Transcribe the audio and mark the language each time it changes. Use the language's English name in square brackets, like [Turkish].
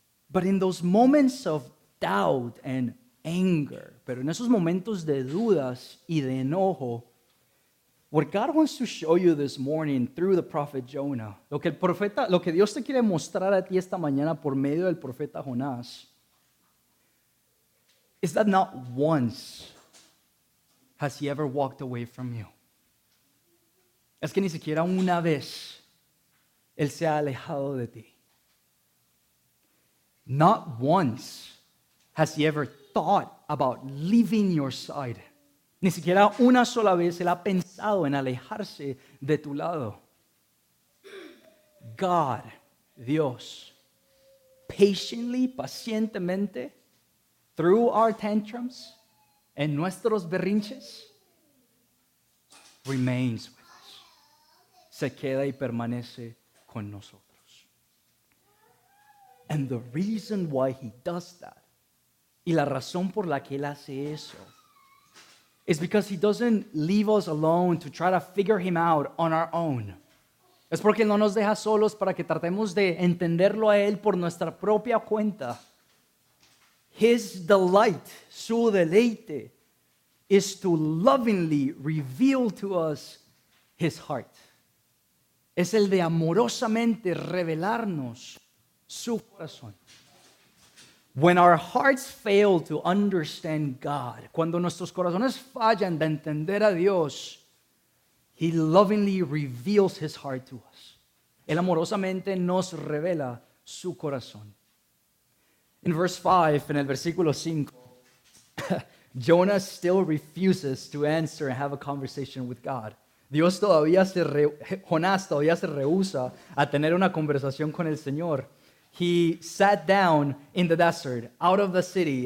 [English] But in those moments of doubt and anger, [Spanish] pero en esos momentos de dudas y de enojo, [English] what God wants to show you this morning through the prophet Jonah, [Spanish] lo que Dios te quiere mostrar a ti esta mañana por medio del profeta Jonás, [English] is that not once has he ever walked away from you. [Spanish] Es que ni siquiera una vez él se ha alejado de ti. [English] Not once has he ever thought about leaving your side. [Spanish] Ni siquiera una sola vez él ha pensado en alejarse de tu lado. [English] God, Dios, patiently, [Spanish] pacientemente, [English] through our tantrums, [Spanish] en nuestros berrinches, [English] remains with us. [Spanish] Se queda y permanece con nosotros. [English] And the reason why he does that, [Spanish] y la razón por la que él hace eso, [English] is because he doesn't leave us alone to try to figure him out on our own. [Spanish] Es porque no nos deja solos para que tratemos de entenderlo a él por nuestra propia cuenta. [English] His delight, [Spanish] su deleite, [English] is to lovingly reveal to us his heart. [Spanish] Es el de amorosamente revelarnos su corazón. [English] When our hearts fail to understand God, [Spanish] cuando nuestros corazones fallan de entender a Dios, [English] he lovingly reveals his heart to us. [Spanish] Él amorosamente nos revela su corazón. [English] In verse 5, [Spanish] en el versículo 5, [English] Jonah still refuses to answer and have a conversation with God. [Spanish] Jonás todavía se rehúsa a tener una conversación con el Señor. [English] He sat down in the desert, out of the city.